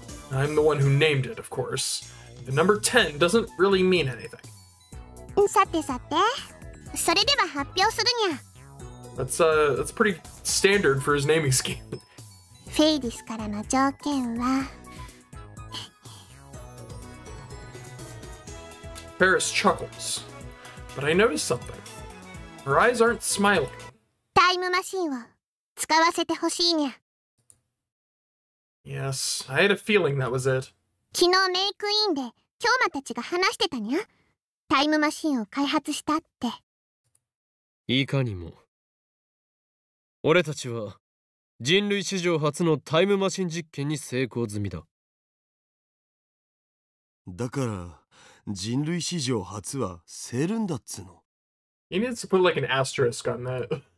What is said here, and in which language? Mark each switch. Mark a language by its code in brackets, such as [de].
[en] I'm the one who named it, of course. The number 10 doesn't really mean anything. [ja] さてさて、それでは発表するにゃ。 [en] That's pretty standard for his naming scheme. [ja] フェイリスからの条件は… [en] Ferris chuckles. But I notice something. Her eyes aren't smiling. [ja] タイムマシンを使わせてほしいにゃ。 [en] Yes, I had a feeling that was it. [ja] 昨日メイクインで、兄馬たちが話してたにゃ。タイムマシンを開発したって。いかにも。俺たちは人類史上初のタイムマシン実験に成功済みだ。だから、人類史上初はセルンだっつの。 [en] He needs to put like an asterisk on that.